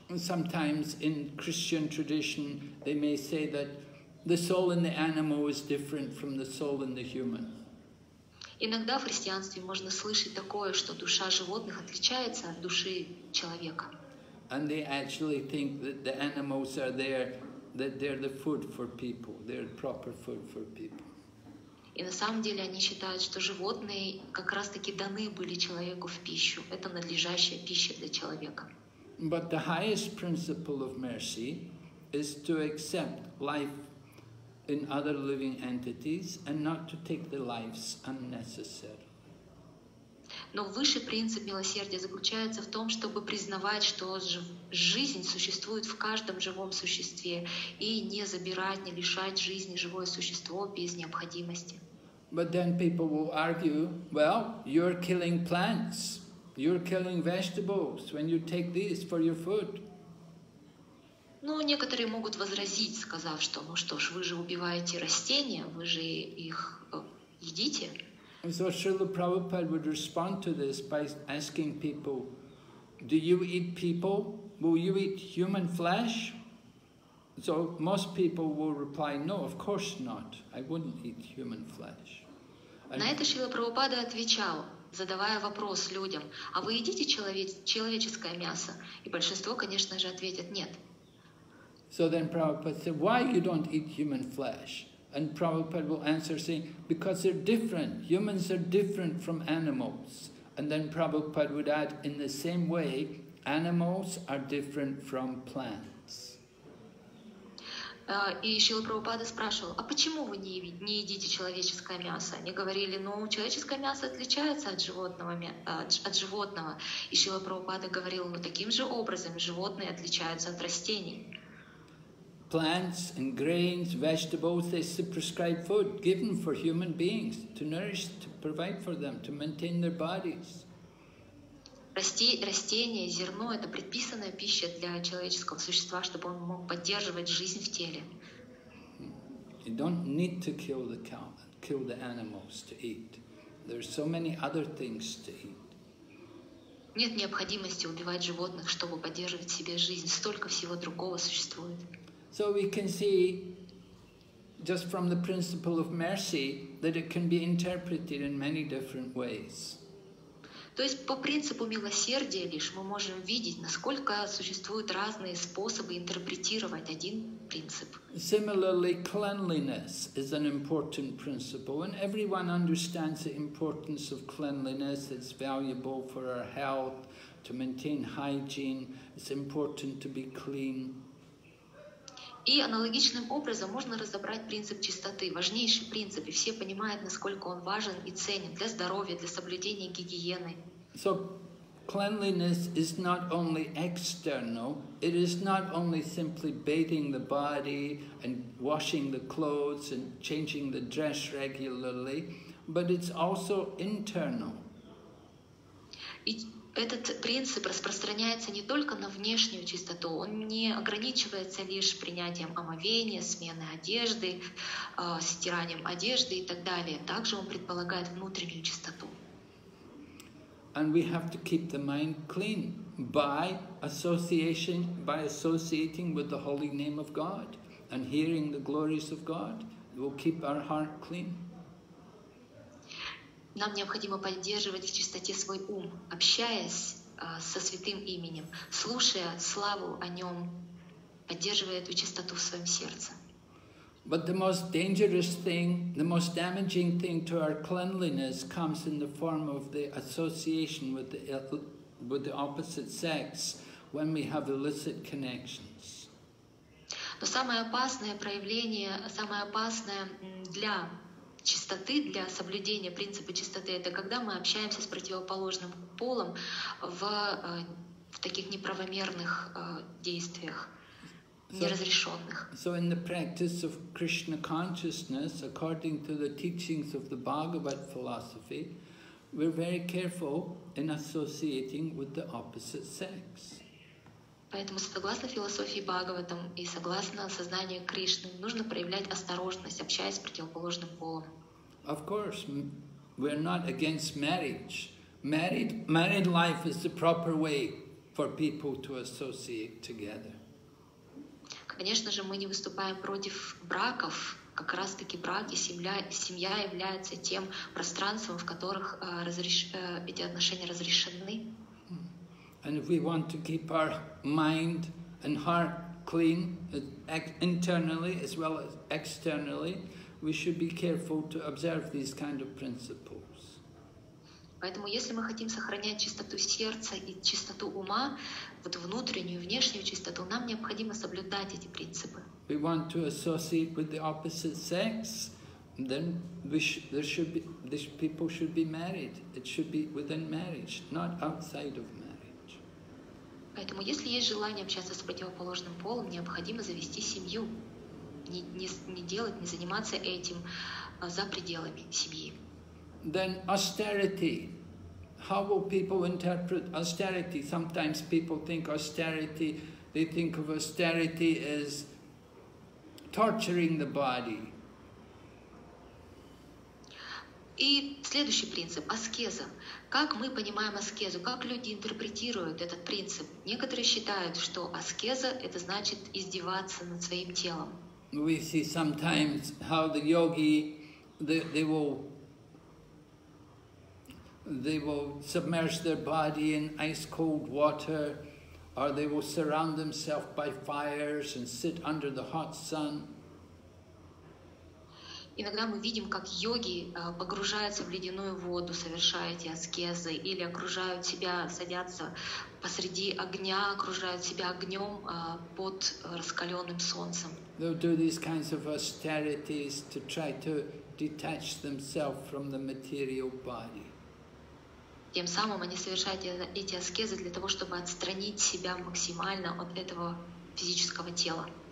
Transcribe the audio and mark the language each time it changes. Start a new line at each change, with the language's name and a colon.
English: And sometimes in Christian tradition they may say that the soul in the animal is different from the soul in the human.
Russian: Иногда в христианстве можно слышать такое, что душа животных отличается от души человека.
English: And they actually think that the animals are there, that they're the food for people, they're proper food for people.
Russian: И на самом деле они считают, что животные как раз-таки даны были человеку в пищу. Это надлежащая пища для человека.
English: But the highest principle of mercy is to accept life in other living entities and not to take the lives unnecessary.
Russian: Но высший принцип милосердия заключается в том, чтобы признавать, что жизнь существует в каждом живом существе, и не забирать, не лишать жизни живое существо без необходимости.
English: But then people will argue, well, you're killing plants, you're killing vegetables when you take these for your food.
Russian: Ну, некоторые могут возразить, сказав, что, ну что ж, вы же убиваете растения, вы же их едите.
English: So Srila Prabhupada would respond to this by asking people, do you eat people? Will you eat human flesh? So most people will reply, no, of course not, I wouldn't eat human flesh.
Russian: На это Шрила Прабхупада отвечал, задавая вопрос людям, а вы едите человеческое мясо? И большинство, конечно же, ответит, нет.
English: So then Prabhupada said, why you don't eat human flesh? And Prabhupada will answer saying, because they're different. Humans are different from animals. And then Prabhupada would add, in the same way, animals are different from plants.
Russian: И Шрила Прабхупада спрашивал, а почему вы не едите человеческое мясо? Они говорили, ну, человеческое мясо отличается от животного. И Шрила Прабхупада говорил, ну, таким же образом животные отличаются от растений.
English: Plants and grains, vegetables, they prescribe food given for human beings to nourish, to provide for them, to maintain their bodies.
Russian: Растения, зерно — это предписанная пища для человеческого существа, чтобы он мог поддерживать жизнь в теле.
English: You don't need to kill the cow, kill the animals to eat. There are so many other things to eat.
Russian: Нет необходимости убивать животных, чтобы поддерживать в себе жизнь. Столько всего другого существует.
English: So we can see, just from the principle of mercy, that it can be interpreted in many different ways.
Russian: То есть по принципу милосердия лишь мы можем видеть, насколько существуют разные способы интерпретировать один принцип.
English: Similarly, cleanliness is an important principle, and everyone understands the importance of cleanliness. It's valuable for our health, to maintain hygiene. It's important to be clean.
Russian: И аналогичным образом можно разобрать принцип чистоты, важнейший принцип, и все понимают, насколько он важен и ценен для здоровья, для соблюдения гигиены.
English: So cleanliness is not only external, it is not only simply bathing the body and washing the clothes and changing the dress regularly, but it's also internal.
Russian: Этот принцип распространяется не только на внешнюю чистоту, он не ограничивается лишь принятием омовения, смены одежды, стиранием одежды и так далее. Также он предполагает внутреннюю чистоту.
English: And we have to keep the mind clean by associating with the holy name of God and hearing the glories of God. It will keep our heart clean.
Russian: Нам необходимо поддерживать в чистоте свой ум, общаясь со святым именем, слушая славу о нем, поддерживая эту чистоту в своем сердце.
English: But the most dangerous thing, the most damaging thing to our cleanliness comes in the form of the association with the opposite sex when we have illicit connections.
Russian: Но самое опасное проявление, самое опасное для чистоты, для соблюдения принципа чистоты, это когда мы общаемся с противоположным полом в таких неправомерных действиях, неразрешенных.
English: So in the practice of Krishna consciousness, according to the teachings of the Bhagavad philosophy, we're very careful in associating with the opposite sex.
Russian: Поэтому, согласно философии Бхагаватам и согласно сознанию Кришны, нужно проявлять осторожность, общаясь с противоположным полом.
English: Of course, we're not against marriage. Married life is the proper way for people to associate together.
Russian: Конечно же, мы не выступаем против браков. Как раз-таки брак и семья являются тем пространством, в которых эти отношения разрешены.
English: And if we want to keep our mind and heart clean internally as well as externally, we should be careful to observe these kind of principles.
Russian: Поэтому, если мы хотим сохранять чистоту сердца и чистоту ума, вот внутреннюю, внешнюю чистоту, нам необходимо соблюдать эти принципы.
English: We want to associate with the opposite sex, then these people should be married. It should be within marriage, not outside of marriage.
Russian: Поэтому, если есть желание общаться с противоположным полом, необходимо завести семью, не заниматься этим за пределами семьи.
English: Then austerity. How will people interpret austerity? Sometimes people think austerity, they think of austerity as torturing the body.
Russian: И следующий принцип – аскеза. Как мы понимаем аскезу? Как люди интерпретируют этот принцип? Некоторые считают, что аскеза – это значит издеваться над своим телом.
English: We see sometimes how the yogi, they will submerge their body in ice-cold water, or they will surround themselves by fires and sit under the hot sun.
Russian: Иногда мы видим, как йоги погружаются в ледяную воду, совершая эти аскезы, или окружают себя, садятся посреди огня, окружают себя огнем под раскаленным солнцем.
English: They'll do these kinds of austerities to try to detach themselves from the material body.
Russian: Тем самым они совершают эти аскезы для того, чтобы отстранить себя максимально от этого физического тела.